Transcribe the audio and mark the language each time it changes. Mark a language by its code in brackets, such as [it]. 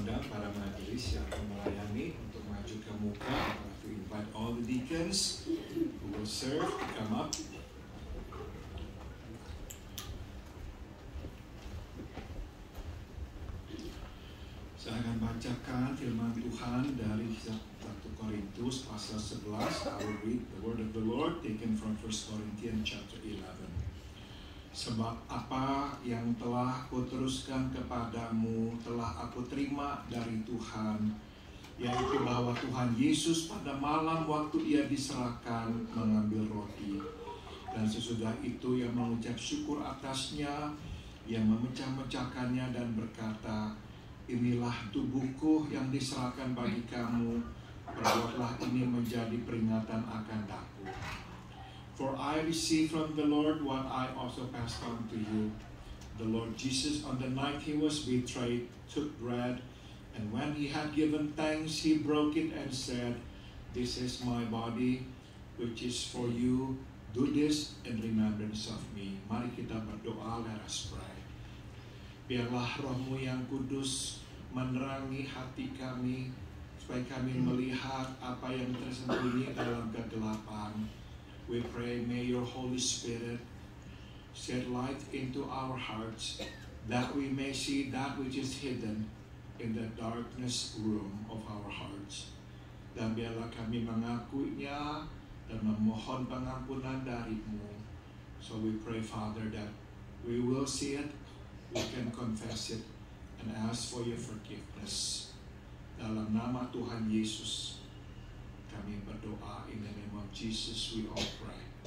[id] para majelis yang akan melayani untuk maju ke muka. [en] To invite all the deacons who will serve to come up. [id] Saya akan bacakan firman Tuhan dari 1 Korintus pasal 11. [en] I will read the word of the Lord taken from 1 Corinthians chapter 11. [id] Sebab apa yang telah kuteruskan kepadamu telah aku terima dari Tuhan, yaitu bahwa Tuhan Yesus pada malam waktu ia diserahkan mengambil roti, dan sesudah itu ia mengucap syukur atasnya, ia memecah-mecahkannya dan berkata, inilah tubuhku yang diserahkan bagi kamu, perbuatlah ini menjadi peringatan akan aku. [en] For I received from the Lord what I also passed on to you. The Lord Jesus, on the night he was betrayed, took bread, and when he had given thanks, he broke it and said, this is my body, which is for you. Do this in remembrance of me. [id] Mari kita berdoa, [en] let us pray. [id] Biarlah Roh-Mu yang kudus menerangi hati kami, supaya kami melihat apa yang tersembunyi dalam kegelapan. [en] We pray, may your Holy Spirit shed light into our hearts, that we may see that which is hidden in the darkness room of our hearts. [id] Dan biarlah kami mengakuinya dan memohon pengampunan dari-Mu. [en] So we pray, Father, that we will see it, we can confess it, and ask for your forgiveness. [id] Dalam nama Tuhan Yesus, kami berdoa. [en] In the name of Jesus, we all pray.